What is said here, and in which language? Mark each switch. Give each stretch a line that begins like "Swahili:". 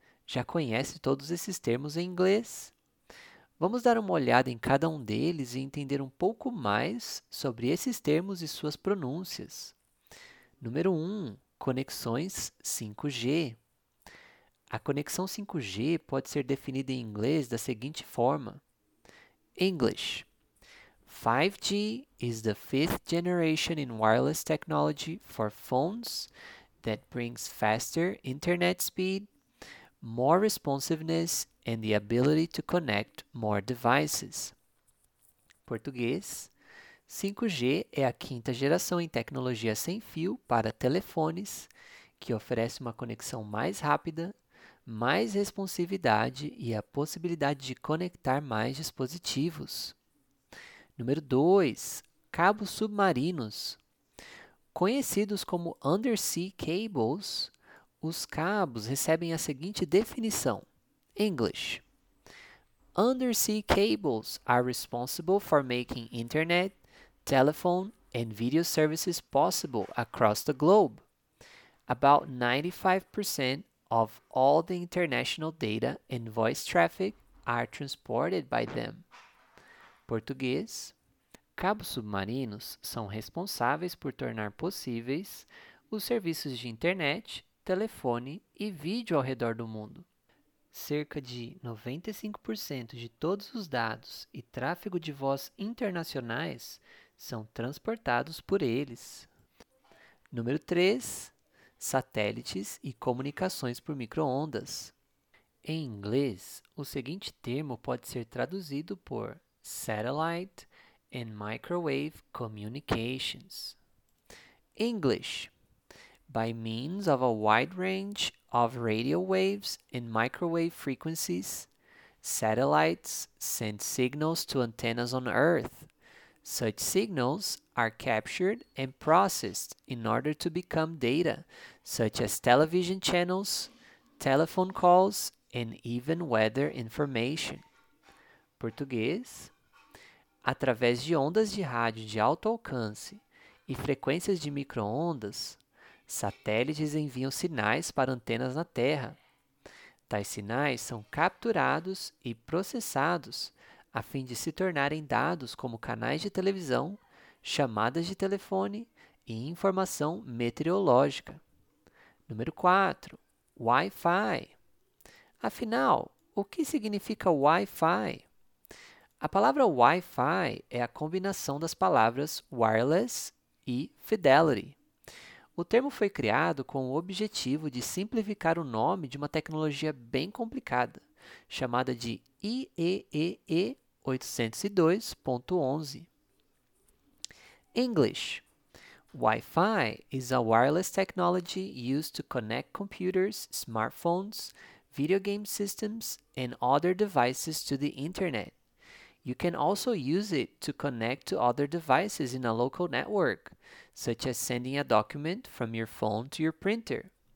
Portuguese: Já conhece todos esses termos em inglês? Vamos dar uma olhada em cada um deles e entender um pouco mais sobre esses termos e suas pronúncias. Número 1. Conexões 5G. A conexão 5G pode ser definida em inglês da seguinte forma: English.
English: 5G is the fifth generation in wireless technology for phones that brings faster internet speed, more responsiveness and the ability to connect more devices.
Portuguese: Português: 5G é a quinta geração em tecnologia sem fio para telefones, que oferece uma conexão mais rápida, mais responsividade e a possibilidade de conectar mais dispositivos. Número 2. Cabos submarinos. Conhecidos como undersea cables, os cabos recebem a seguinte definição.
English: English. Undersea cables are responsible for making internet, telephone and video services possible across the globe. About 95% of all the international data and voice traffic are transported by them.
Portuguese: Português: cabos submarinos são responsáveis por tornar possíveis os serviços de internet, telefone e vídeo ao redor do mundo. Cerca de 95% de todos os dados e tráfego de voz internacionais são transportados por eles. Número 3. Satélites e comunicações por micro-ondas. Em inglês, o seguinte termo pode ser traduzido por Satellite and Microwave Communications.
English: English. By means of a wide range of radio waves and microwave frequencies, satellites send signals to antennas on Earth. Such signals are captured and processed in order to become data, such as television channels, telephone calls, and even weather information.
Portuguese: Português: através de ondas de rádio de alto alcance e frequências de micro-ondas, satélites enviam sinais para antenas na Terra. Tais sinais são capturados e processados a fim de se tornarem dados como canais de televisão, chamadas de telefone e informação meteorológica. Número 4. Wi-Fi. Afinal, o que significa Wi-Fi? A palavra Wi-Fi é a combinação das palavras wireless e fidelity. O termo foi criado com o objetivo de simplificar o nome de uma tecnologia bem complicada, chamada de IEEE 802.11.
English: English. Wi-Fi is a wireless technology used to connect computers, smartphones, video game systems, and other devices to the internet. You can also use it to connect to other devices in a local network, such as sending a document from your phone to your printer.